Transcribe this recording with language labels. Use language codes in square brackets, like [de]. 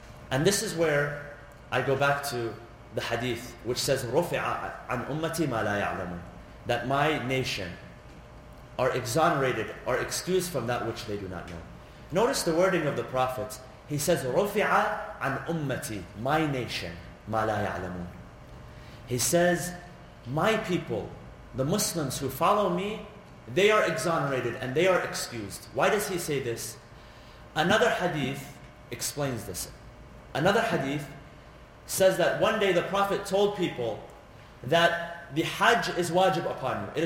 [en] And this is where I go back to the hadith, which says, [ar] رُفِعَ عَنْ أُمَّتِي مَا لَا يَعْلَمُونَ, [en] that my nation are exonerated, are excused from that which they do not know. Notice the wording of the Prophet. He says, [ar] رُفِعَ عَنْ أُمَّتِي, [en] my nation, [ar] مَا لَا يَعْلَمُونَ. [en] He says, my people, the Muslims who follow me, they are exonerated and they are excused. Why does he say this? Another hadith explains this. Another hadith says that one day the Prophet told people that the Hajj is wajib upon you.